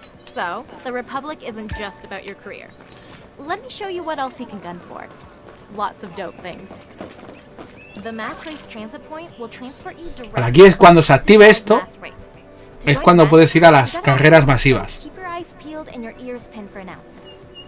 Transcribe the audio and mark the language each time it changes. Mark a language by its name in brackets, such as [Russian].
[English] So, the Republic isn't just about your career. Let me show you what else you can gun for. Lots of dope things. The Mass Race Transit Point will transport you directly. [Spanish] Aquí es cuando se active esto. Es cuando puedes ir a las carreras masivas. [English] Keep your eyes peeled and your ears pinned for announcements.